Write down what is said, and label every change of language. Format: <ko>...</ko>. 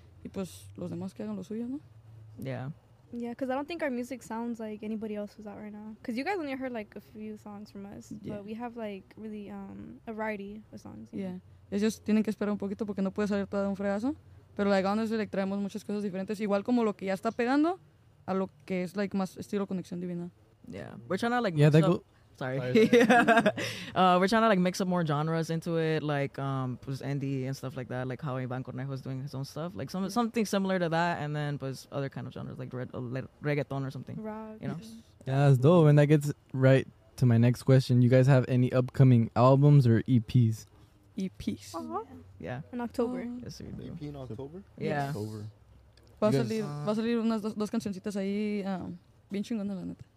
<es>Y pues, los demás que hagan lo suyo, ¿no?</es> <en>Yeah. Yeah, because I don't think our music sounds like anybody else who's out right now. Because you guys only heard, like, a few songs from us. Yeah. But we have, like, really a variety of songs. Yeah.</en> <es>Ellos tienen que esperar un poquito porque no puede salir todo de un fregazo. Pero,</es> <en>like, honestly, like,</en> <es>traemos muchas cosas diferentes. Igual como lo que ya está pegando a lo que es, like, más estilo Conexión Divina.</es> <en>Yeah. We're trying to, like, mix up. Sorry. Yeah. We're trying to like mix up more genres into it, like pues indie and stuff like that, like how Iván Cornejo is doing his own stuff, like something similar to that, and then pues other kind of genres like reggaeton or something. Rock. You know. Yeah, that's dope. And that gets right to my next question. You guys have any upcoming albums or EPs? EPs. Uh-huh. Yeah. In October. Yes, we do. EP in October. Yeah.</en> <es>Va a salir unas dos cancioncitas ahí, bien chingona la neta.</es>